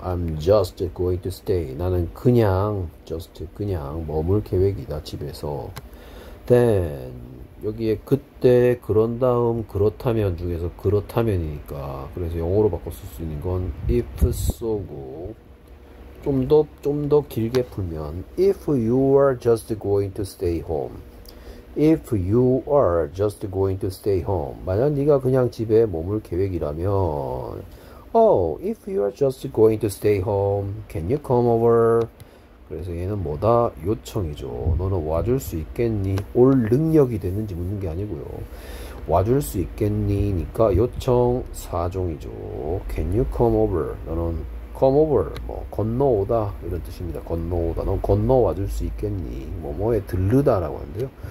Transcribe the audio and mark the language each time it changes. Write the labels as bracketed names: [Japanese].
[English] I'm just going to stay. [Korean] 나는 그냥 just 그냥 머물 계획이다 집에서. Then 여기에 그때 그런 다음 그렇다면 중에서 그렇다면이니까 그래서 영어로 바꿔 쓸 수 있는 건 [English] if so [Korean] 고. [English] 좀 더 길게 풀면 If you are just going to stay home If you are just going to stay home [Korean] 만약 네가 그냥 집에 머물 계획이라면 [English] Oh, if you are just going to stay home Can you come over? [Korean] 그래서 얘는 뭐다? 요청이죠. 너는 와줄 수 있겠니? 올 능력이 되는지 묻는 게 아니고요. 와줄 수 있겠니? 니까 요청 사종이죠. [English] Can you come over? [Korean] 너는 [English] Come over, [Korean] 뭐 건너오다 이런 뜻입니다. 건너오다, 넌 건너와 줄 수 있겠니? 뭐뭐에 들르다라고 하는데요.